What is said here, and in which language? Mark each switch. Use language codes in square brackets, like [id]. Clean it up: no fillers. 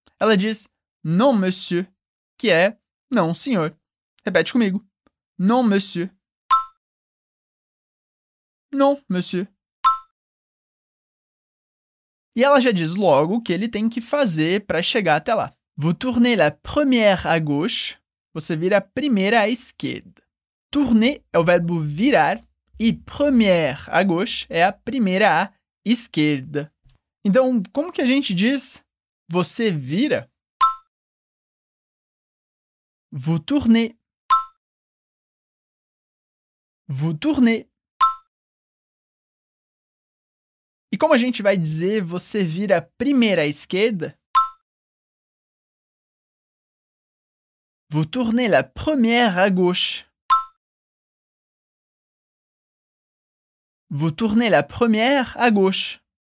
[pt] Ela diz, [fr] non, monsieur, [pt] que é, não, senhor. Repete comigo. [fr] Non, monsieur. Non, monsieur. [pt] Não, monsieur. E ela já diz logo o que ele tem que fazer para chegar até lá. [fr] Vous tournez la première à gauche. [pt] Você vira a primeira à esquerda. Tourner é o verbo virar. E [fr] première à gauche [pt] é a primeira à esquerda. Então, como que a gente diz você vira? [fr] Vous tournez. Vous tournez. [pt] E como a gente vai dizer você vira primeira à esquerda? [fr] Vous tournez la première à gauche. Vous tournez la première à gauche.